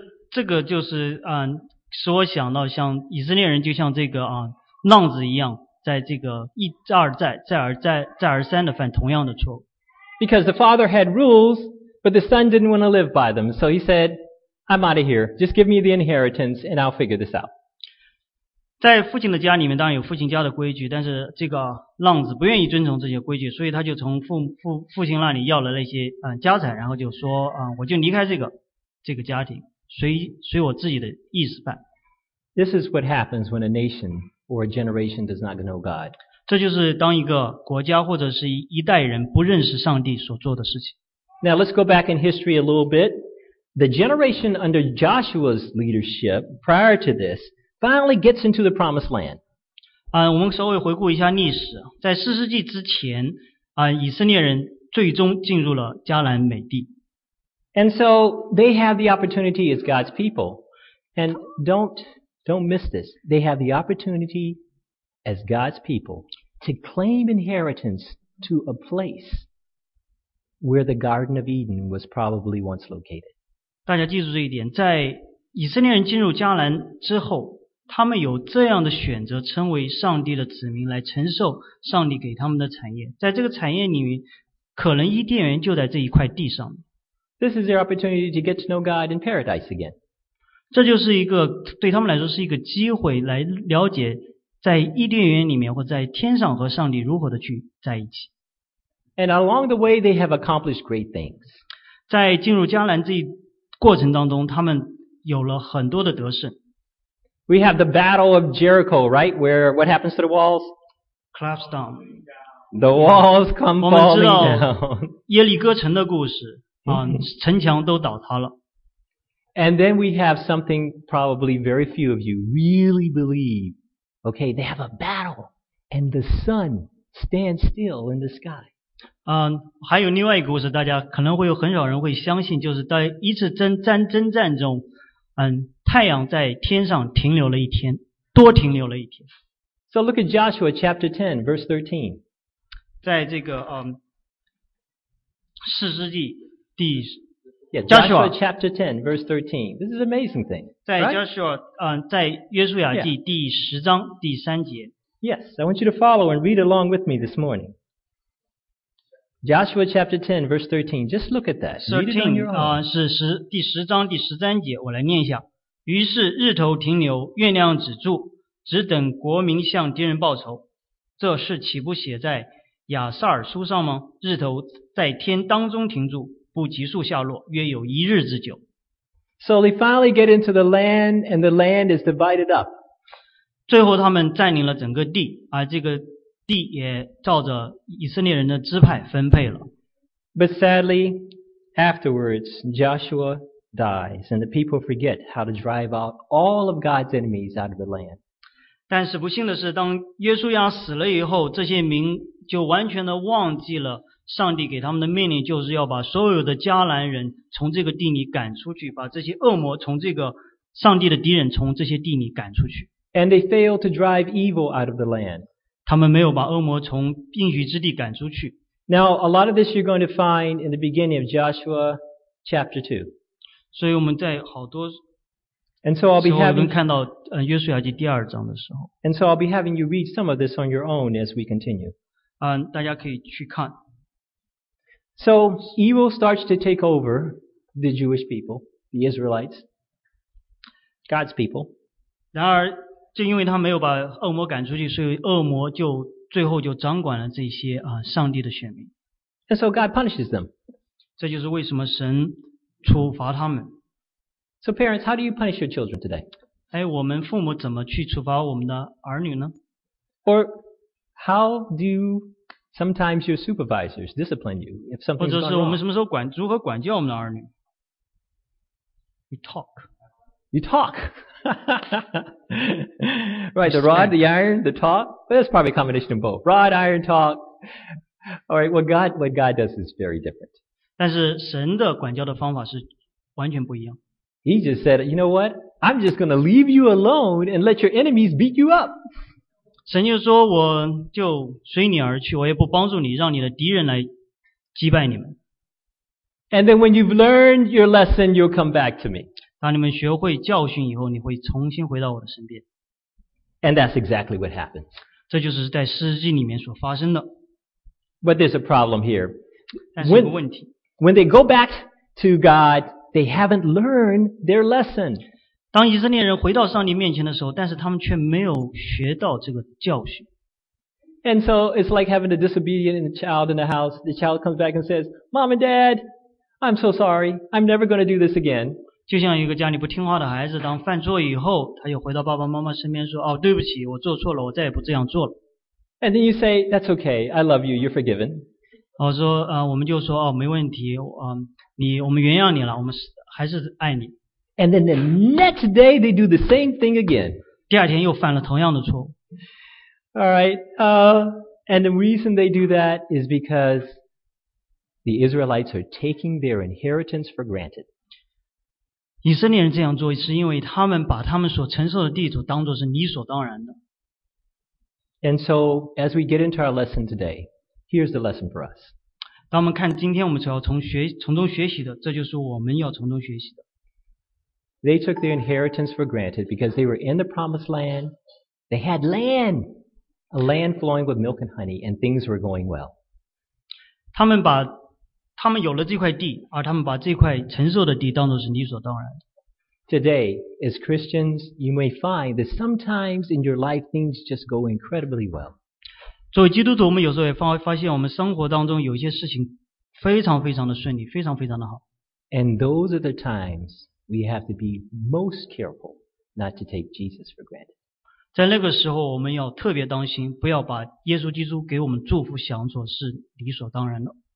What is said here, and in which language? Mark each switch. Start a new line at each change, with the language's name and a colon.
Chinese: 这个就是使我想到像以色列人就像这个浪子一样。在这个一而再再而再再而三的犯同样的错误。
English: Because the father had rules, but the son didn't want to live by them, so he said, I'm out of here. Just give me the inheritance and I'll figure this out.
Chinese: 在父亲的家里面当然有父亲家的规矩，但是这个浪子不愿意遵从这些规矩，所以他就从父亲那里要了那些家产，然后就说我就离开这个家庭，随我自己的意思办。
English: This is what happens when a nation or a generation does not know God.
Chinese: 这就是当一个国家或者是一代人不认识上帝所做的事情。
English: Now let's go back in history a little bit. The generation under Joshua's leadership prior to this finally gets into the promised land.
Chinese: 我们稍微回顾一下历史，在四世纪之前，以色列人最终进入了迦南美地。
English: And so they have the opportunity as God's people, and don't miss this. They have the opportunity as God's people to claim inheritance to a place where the Garden of Eden was probably once located.
Chinese: 大家记住这一点，在以色列人进入迦南之后，他们有这样的选择，成为上帝的子民，来承受上帝给他们的产业。在这个产业里面，可能伊甸园就在这一块地上。
English: This is their opportunity to get to know God in paradise again.
Chinese: 这就是一个对他们来说是一个机会，来了解在伊甸园里面或在天上和上帝如何的去在一起。
English: And along the way, they have accomplished great things.
Chinese: 在进入迦南这一过程当中，他们有了很多的得胜。
English: We have the battle of Jericho, right? Where what happens to the walls? Collapse down. The walls come falling down.
Chinese: 我们知道耶利哥城的故事。城墙都倒塌了。
English: And then we have something probably very few of you really believe. Okay, they have a battle and the sun stands still in the sky.
Chinese: 还有另外一个故事，大家可能会有很少人会相信，就是在一次真战中，太阳在天上停留了一天，多停留了一天。
English: So look at Joshua chapter 10, verse 13.
Chinese: 在这个四世纪
English: Joshua chapter 10, verse 13. This is an amazing thing.
Chinese: 在 Joshua,
English: right?
Chinese: 在约书亚记第十章第三节。
English: Yes, I want you to follow and read along with me this morning. Joshua chapter 10, verse 13. Just look at that.
Chinese: 13, 是第十章第十三节，我来念一下。于是日头停留，月亮止住，只等国民向敌人报仇。这事岂不写在亚撒尔书上吗？日头在天当中停住。不急速下落，约有一日之久。
English: So they finally get into the land, and the land is divided up.
Chinese: 最后他们占领了整个地，而这个地也照着以色列人的支派分配了。
English: But sadly, afterwards, Joshua dies, and the people forget how to drive out all of God's enemies out of the land.
Chinese: 但是不幸的是，当约书亚死了以后，这些民就完全的忘记了上帝给他们的命令，就是要把所有的迦南人从这个地里赶出去，把这些恶魔从这个上帝的敌人从这些地里赶出去。
English: And they failed to drive evil out of the land.
Chinese: 他们没有把恶魔从应许之地赶出去。
English: Now, a lot of this you're going to find in the beginning of Joshua chapter 2.
Chinese: 所以我们在好多
English: And so I'll be having
Chinese: 我们看到约书亚记第二章的时候。
English: And so I'll be having you read some of this on your own as we continue.
Chinese: 大家可以去看。
English: So evil starts to take over the Jewish people, the Israelites, God's people.
Chinese: 然而，就因为他没有把恶魔赶出去，所以恶魔就最后就掌管了这些上帝的选民。
English: And so God punishes them.
Chinese: 这就是为什么神处罚他们。
English: So parents, how do you punish your children today?
Chinese: 哎，我们父母怎么去处罚我们的儿女呢？
English: Or how do you... Sometimes your supervisors discipline you if something's gone wrong.
Chinese: 或者是我们什么时候如何管教我们的儿女？
English: You talk. Right, the rod, the iron, the talk. But it's probably a combination of both. Rod, iron, talk. All right, what God does is very different.
Chinese: 但是神的管教的方法是完全不一样。
English: He just said, you know what? I'm just going to leave you alone and let your enemies beat you up.
Chinese: 神就说我就随你而去，我也不帮助你，让你的敌人来击败你们。
English: And then when you've learned your lesson, you'll come back to me.
Chinese: 当你们学会教训以后，你会重新回到我的身边。
English: And that's exactly what happened.
Chinese: 这就是在诗记里面所发生的。
English: But there's a problem here.
Chinese: 但是有个问题。
English: When they go back to God, they haven't learned their lesson.
Chinese: 当以色列人回到上帝面前的时候，但是他们却没有学到这个教训。
English: And so it's like having a disobedient child in the house. The child comes back and says, "Mom and Dad, I'm so sorry. I'm never going to do this again."
Chinese: 就像一个家里不听话的孩子，当犯错以后，他又回到爸爸妈妈身边说，哦，对不起，我做错了，我再也不这样做了。
English: And then you say, "That's okay. I love you. You're forgiven."
Chinese: 我们就说，哦，没问题，我们原谅你了，我们还是爱你。
English: And then the next day they do the same thing again.
Chinese: 第二天又犯了同样的错误。
English: Alright, and the reason they do that is because the Israelites are taking their inheritance for granted.
Chinese: 以色列人这样做是因为他们把他们所承受的地主当作是理所当然的。
English: And so, as we get into our lesson today, here's the lesson for us.
Chinese: 当我们看今天我们所要从中学习的，这就是我们要从中学习的。
English: They took their inheritance for granted because they were in the promised land. They had land, a land flowing with milk and honey, and things were going well.
Chinese: 他们有了这块地，而他们把这块承受的地当作是理所当然的。
English: Today, as Christians, you may find that sometimes in your life things just go incredibly well.
Chinese: 作为基督徒，我们有时候也发现我们生活当中有些事情非常非常的顺利，非常非常的好。
English: And those are the times we have to be most careful not to take Jesus for granted.
Chinese: 在那个时候，我们要特别当心，不要把耶稣基督给我们祝福想做是理所当然的。